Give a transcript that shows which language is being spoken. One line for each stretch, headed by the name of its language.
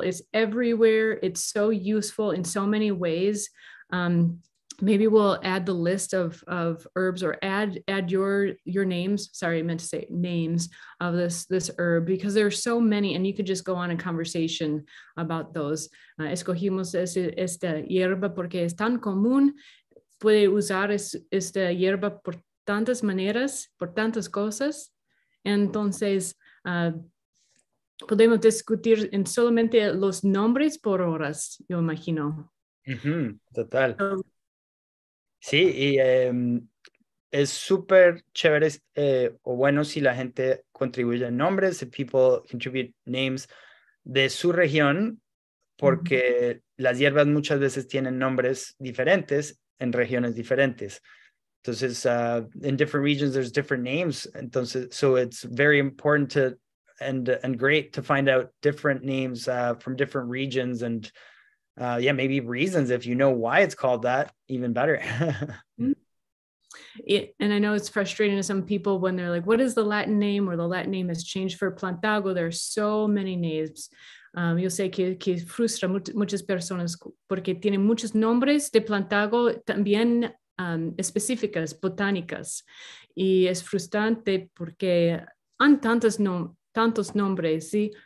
English: It's everywhere. It's so useful in so many ways. Maybe we'll add the list of herbs, or add your names. Sorry, I meant to say names of this herb, because there are so many, and you could just go on a conversation about those.
Spanish: Escogimos esta hierba porque es tan común. Puede usar esta hierba por tantas maneras, por tantas cosas. Entonces, podemos discutir en solamente los nombres por horas, yo imagino. Mm-hmm. Total. Sí, y es súper chévere, o bueno, si la gente contribuye en nombres,
English: if people contribute names
Spanish: de su región, porque mm-hmm. las hierbas muchas veces tienen nombres diferentes en regiones diferentes.
English: Entonces, in different regions, there's different names. Entonces, so it's very important to and great to find out different names from different regions, and yeah, maybe reasons. If you know why it's called that, even better. And I know it's frustrating to some people when they're like, what is the Latin name, or the Latin name has changed for Plantago? There are so many names.
Spanish: Yo sé que frustra muchas personas porque tiene muchos nombres de Plantago también. Específicas, botánicas, y es frustrante porque han tantos nombres, ¿sí?